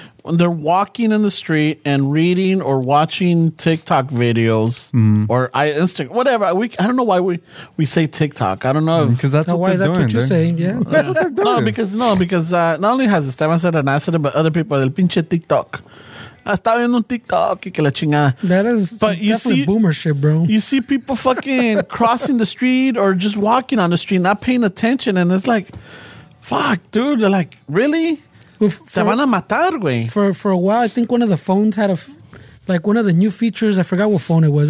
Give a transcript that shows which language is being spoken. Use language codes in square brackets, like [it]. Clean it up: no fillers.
[en] When they're walking in the street and reading or watching TikTok videos or Instagram, whatever. I don't know why we say TikTok. I don't know. Because that's what they're doing. That's what you're saying, yeah. That's what they're doing. No, because not only has Esteban said an acid, but other people, [es] el pinche TikTok. Está viendo un TikTok y que la chingada. [en] That is definitely boomer shit, bro. You see people fucking crossing the street or just walking on the street, not paying attention. And it's like, fuck, dude. They're like, really? [es] Te van a matar, güey. [en] For a while, I think one of the phones had one of the new features. I forgot what phone it was.